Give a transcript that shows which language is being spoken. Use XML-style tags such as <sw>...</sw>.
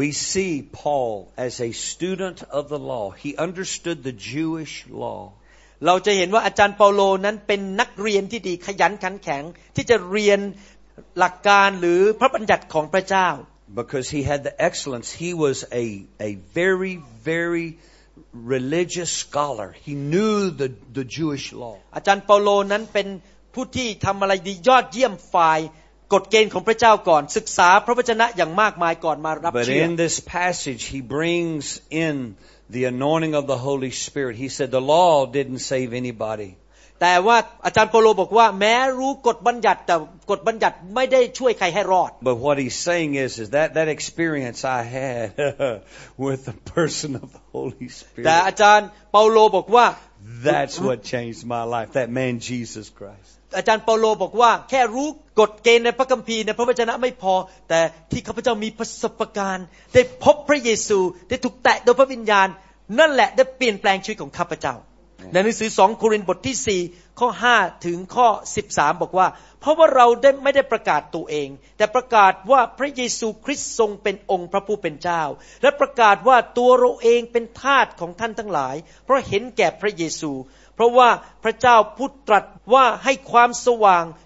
<en>We see Paul as a student of the law. He understood the Jewish law.</en> <th>เราจะเห็นว่าอาจารย์เปาโลนั้นเป็นนักเรียนที่ดีขยันขันแข็งที่จะเรียนหลักการหรือพระบัญญัติของพระเจ้า</th> <en>Because he had the excellence, he was a very, veryreligious scholar he knew the Jewish law</en> <th>อาจารย์เปาโลนั้นเป็นผู้ที่ทําอะไรดียอดเยี่ยมฝ่ายกฎเกณฑ์ของพระเจ้าก่อนศึกษาพระวจนะอย่างมากมายก่อนมารับเชื้อ</th> <en>But in this passage he brings in the anointing of the Holy Spirit he said the law didn't save anybody</en> <th>แต่ว่าอาจารย์เปาโลบอกว่าแม้รู้กฎบัญญัติแต่กฎบัญญัติไม่ได้ช่วยใครให้รอด</th> <en>But what he's saying is that experience I had with the person of the Holy Spirit</en> <th>แต่อาจารย์เปาโลบอกว่า</th> <en>That's what changed my life that man Jesus Christ</en> <th>อาจารย์เปาโลบอกว่าแค่รู้กฎเกณฑ์ในพระคัมภีร์ในพระวจนะไม่พอแต่ที่ข้าพเจ้ามีประสบการณ์ได้พบพระเยซูได้ถูกแตะโดยพระวิญญาณนั่นแหละได้เปลี่ยนแปลงชีวิตของข้าพเจ้า ในหนังสือ2โครินธ์บทที่4ข้อ5ถึงข้อ13บอกว่าเพราะว่าเราไม่ได้ประกาศตัวเองแต่ประกาศว่าพระเยซูคริสต์ทรงเป็นองค์พระผู้เป็นเจ้าและประกาศว่าตัวเราเองเป็นทาสของท่านทั้งหลายเพราะเห็นแก่พระเยซูเพราะว่าพระเจ้าผู้ตรัสว่าให้ความสว่าง</th>